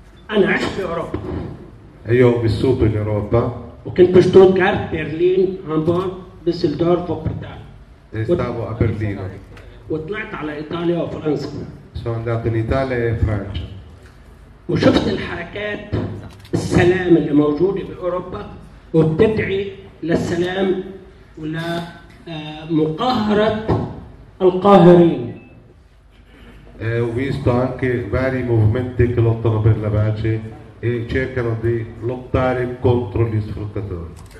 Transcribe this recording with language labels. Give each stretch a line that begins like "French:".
Arabic: Ma عشت في اوروبا.
Italian: Io ho vissuto in Europa.
Arabic: وكنت بشتوتغارت برلين هامبورغ ديسلدورف وبرتال.
Italian: Stavo a Berlino.
Arabic: وطلعت على إيطاليا وفرنسا.
Italian: Sono andato in Italia e Francia.
Arabic: وشفت الحركات السلام اللي موجودة في أوروبا وبتدعي للسلام ولا مقاهرة القاهرين.
Italian: Ho visto anche vari movimenti che lottano per la pace. E cercano di lottare contro gli sfruttatori.